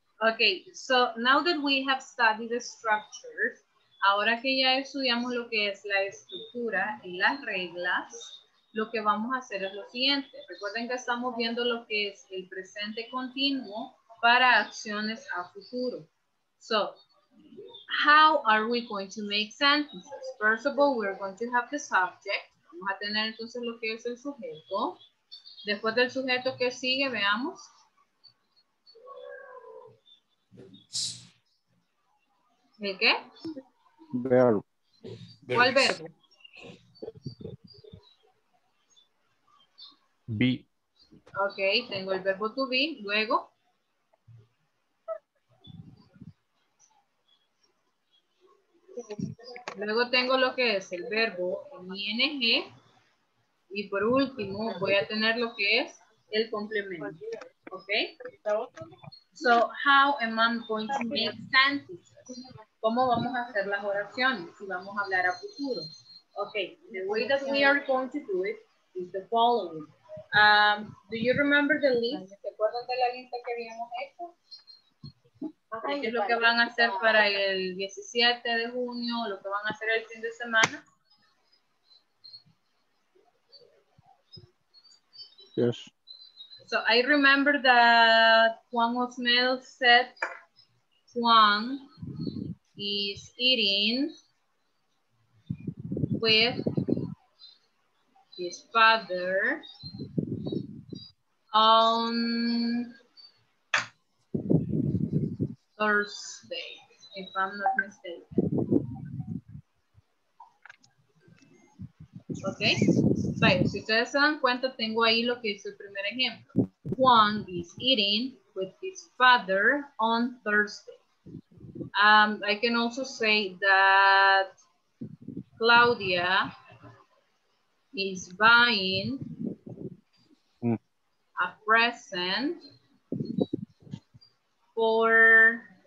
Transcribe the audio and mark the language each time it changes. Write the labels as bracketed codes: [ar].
[en] Okay, so now that we have studied the structures, [es] ahora que ya estudiamos lo que es la estructura y las reglas, lo que vamos a hacer es lo siguiente. Recuerden que estamos viendo lo que es el presente continuo para acciones a futuro. [en] So, how are we going to make sentences? First of all, we're going to have the subject. [es] Vamos a tener entonces lo que es el sujeto. Después del sujeto, ¿qué sigue? Veamos. ¿El qué? Verbo. ¿Cuál verbo? [en] Be. [es] Ok, tengo el verbo to be. Luego. Luego tengo lo que es el verbo en ing. Y por último, voy a tener lo que es el complemento. ¿Ok? [en] So, how am I going to make sentences? [es] ¿Cómo vamos a hacer las oraciones si vamos a hablar a futuro? [en] Ok, the way that we are going to do it is the following. Do you remember the list? [es] ¿Se acuerdan de la lista que habíamos hecho? ¿Qué es lo que van a hacer para el 17 de junio? ¿Lo que van a hacer el fin de semana? [en] Yes. So I remember that Juan Osmel said Juan is eating with his father on Thursday, if I'm not mistaken. [es] Ok, bueno, si ustedes se dan cuenta, tengo ahí lo que es el primer ejemplo. [en] Juan is eating with his father on Thursday. I can also say that Claudia is buying a present for